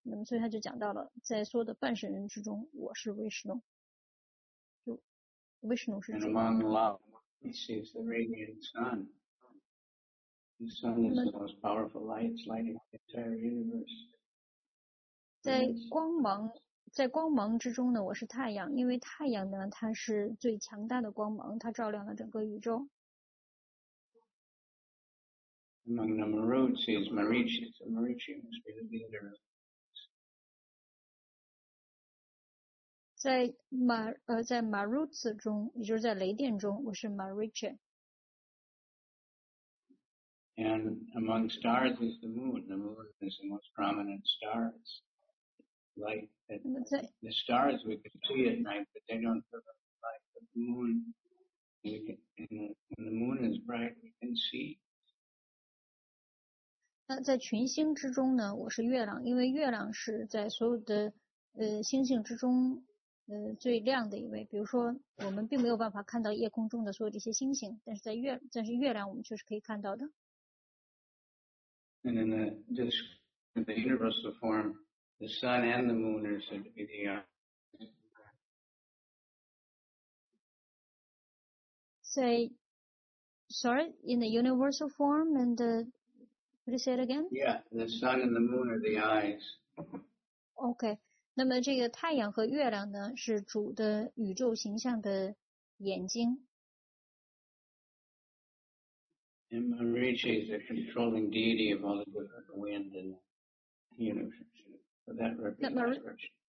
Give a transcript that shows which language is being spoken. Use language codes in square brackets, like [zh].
[zh] 那么所以他就讲到了，在所有的半神人之中，我是 Vishnu。就 Vishnu 是谁 [en] ？Among love, he sees the radiant sun. The sun is the most powerful light, lighting the entire universe. [zh] 在光芒。在光芒之中呢，我是太阳，因为太阳呢，它是最强大的光芒，它照亮了整个宇宙。 [en] Among the Maruts is Marichi, so Marichi must be the leader. [zh] 在 Maruts 中，也就是在雷电中，我是 Marichi。 [en] And among stars is the moon. The moon is the most prominent star. It's light. The stars we can see at night, but they don't have light. But the moon, when the moon is bright, we can see. [zh] 那在群星之中呢？我是月亮，因为月亮是在所有的星星之中最亮的一位。比如说，我们并没有办法看到夜空中的所有这些星星，但是月亮我们确实可以看到的。 [en] And in the universal form. The sun and the moon are said to be the Say, sorry, in the universal form and could you say it again? Yeah, the sun and the moon are the eyes. [zh] Okay, 那么这个太阳和月亮呢是主的宇宙形象的眼睛。 [en] And Marichi is the controlling deity of all the wind and the universe.